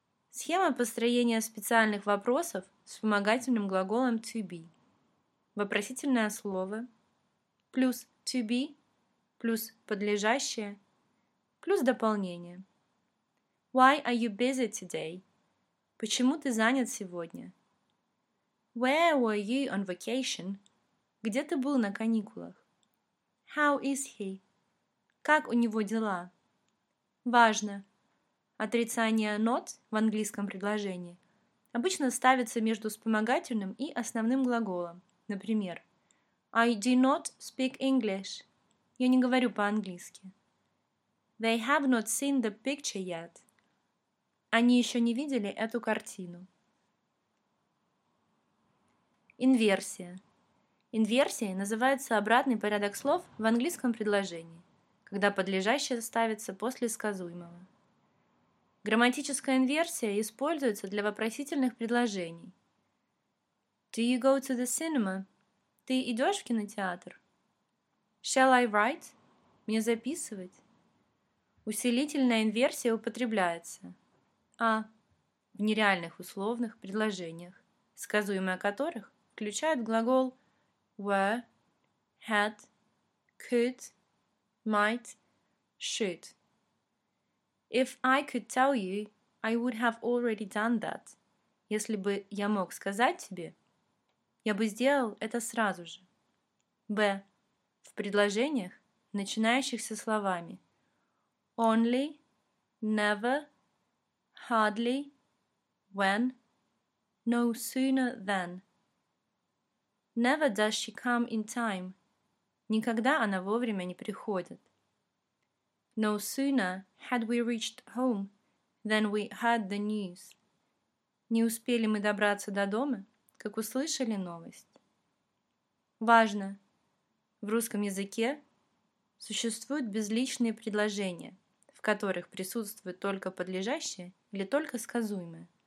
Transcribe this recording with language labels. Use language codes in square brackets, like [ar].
[ru] Схема построения специальных вопросов с вспомогательным глаголом to be. Вопросительное слово плюс to be плюс подлежащее плюс дополнение. [en] Why are you busy today? [ru] Почему ты занят сегодня? [en] Where were you on vacation? [ru] Где ты был на каникулах? [en] How is he? [ru] Как у него дела? Важно! Отрицание not в английском предложении обычно ставится между вспомогательным и основным глаголом. Например, [en] I do not speak English. [ru] Я не говорю по-английски. [en] They have not seen the picture yet. [ru] Они еще не видели эту картину. Инверсия. Инверсией называется обратный порядок слов в английском предложении, когда подлежащее ставится после сказуемого. Грамматическая инверсия используется для вопросительных предложений. [en] Do you go to the cinema? [ru] Ты идешь в кинотеатр? [en] Shall I write? [ru] Мне записывать? Усилительная инверсия употребляется. А. В нереальных условных предложениях, сказуемое которых включает глагол were, had, could, might, should. [en] If I could tell you, I would have already done that. [ru] Если бы я мог сказать тебе, я бы сделал это сразу же. Б. В предложениях, начинающихся словами only, never, hardly, when, no sooner than. [en] Never does she come in time. [ru] Никогда она вовремя не приходит. [en] No sooner had we reached home than we heard the news. [ru] Не успели мы добраться до дома, как услышали новость. Важно! В русском языке существуют безличные предложения, в которых присутствует только подлежащее или только сказуемое.